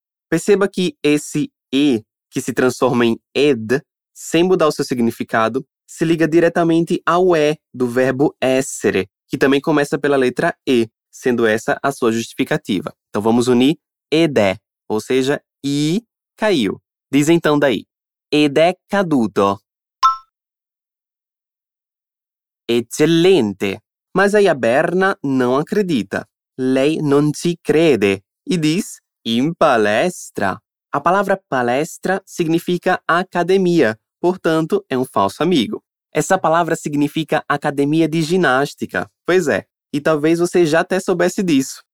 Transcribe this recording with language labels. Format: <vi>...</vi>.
<pt>Perceba que esse e, que se transforma em ed, sem mudar o seu significado, se liga diretamente ao E do verbo essere, que também começa pela letra E, sendo essa a sua justificativa. Então vamos unir ed è, ou seja, I caiu. Diz então daí,</pt> <it>ed è caduto. Eccellente.</it> <pt>Mas aí a Berna não acredita.</pt> <it>Lei non ci crede.</it> <pt>E diz, in palestra. A palavra palestra significa academia, portanto é um falso amigo. Essa palavra significa academia de ginástica. Pois é, e talvez você já até soubesse disso.</pt>